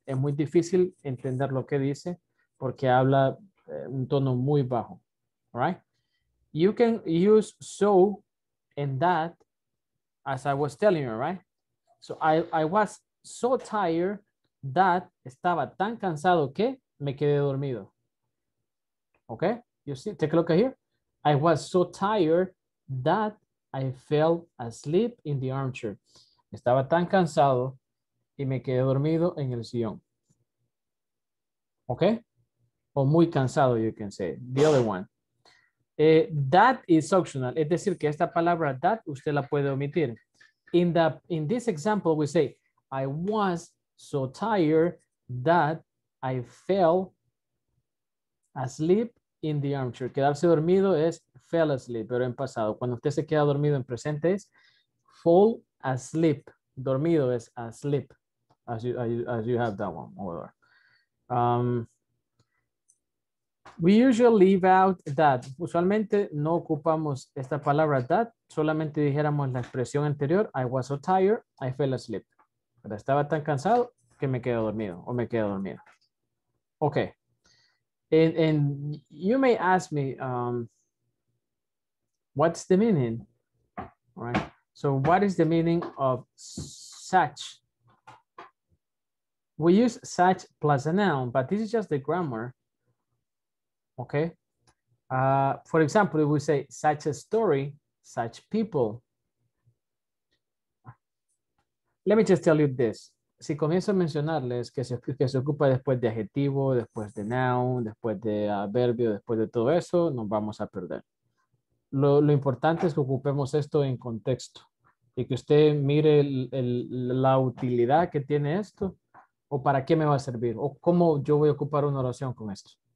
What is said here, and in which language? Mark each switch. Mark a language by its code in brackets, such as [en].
[es] Es muy difícil entender lo que dice porque habla un tono muy bajo, [en] right? You can use so and that, as I was telling you, right? So I was so tired that [es] estaba tan cansado que me quedé dormido. [en] Okay, you see, take a look at here. I was so tired that I fell asleep in the armchair. [es] Estaba tan cansado y me quedé dormido en el sillón. [en] Okay? [es] O muy cansado, [en] you can say. The other one. That is optional. [es] Es decir, que esta palabra that, usted la puede omitir. [en] In this example, we say, I was so tired that I fell asleep in the armchair. [es] Quedarse dormido es fell asleep, pero en pasado. Cuando usted se queda dormido en presente es fall asleep. Dormido es [en] asleep, as you have that one. We usually leave out that. [es] Usualmente no ocupamos esta palabra [en] that. [es] Solamente dijéramos la expresión anterior. [en] I was so tired, I fell asleep. [es] Pero estaba tan cansado que me quedé dormido o me quedé dormido. [en] Okay. And you may ask me, what's the meaning? All right. So what is the meaning of such? We use such plus a noun, but this is just the grammar. Okay. For example, if we say such a story, such people. Let me just tell you this. [es] Si comienzo a mencionarles que se ocupa después de adjetivo, después de noun, después de adverbio, después de todo eso, nos vamos a perder. Lo importante es que ocupemos esto en contexto y que usted mire la utilidad que tiene esto o para qué me va a servir o cómo yo voy a ocupar una oración con esto.